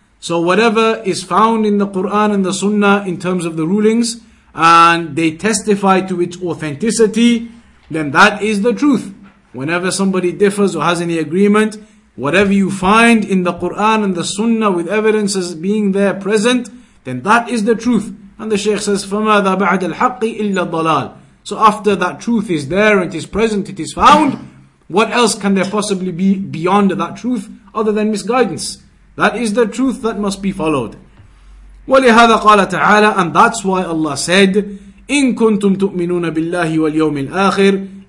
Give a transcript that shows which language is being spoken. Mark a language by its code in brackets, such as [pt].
[en] So whatever is found in the Quran and the Sunnah in terms of the rulings, and they testify to its authenticity, then that is the truth. Whenever somebody differs or has any agreement, whatever you find in the Quran and the Sunnah with evidences being there present, then that is the truth. And the Shaykh says, [ar] فماذا بعد الحق إلا الضلال. [en] So after that truth is there, it is present, it is found, what else can there possibly be beyond that truth other than misguidance? That is the truth that must be followed. [ar] وَلِهَذَا قَالَ تَعَالَى. [en] And that's why Allah said, [ar] إِن كُنْتُمْ تُؤْمِنُونَ بِاللَّهِ وَالْيَوْمِ الْآخِرِ.